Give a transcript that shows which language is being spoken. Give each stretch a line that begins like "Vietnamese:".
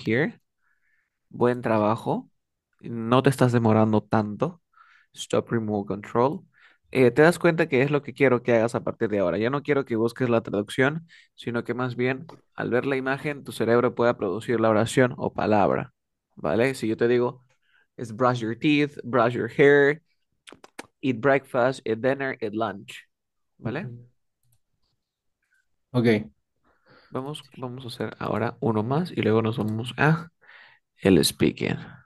Spanish: here. Buen trabajo. No te estás demorando tanto.
English: Stop remote control.
Spanish: Te das cuenta que es lo que quiero que hagas a partir de ahora. Ya no quiero que busques la traducción, sino que más bien al ver la imagen, tu cerebro pueda producir la oración o palabra. ¿Vale? Si yo te digo, es
English: brush your teeth, brush your hair, eat breakfast, eat dinner, eat lunch.
Spanish: ¿Vale?
English: Okay.
Spanish: Vamos a hacer ahora uno más y luego nos vamos a el speaking.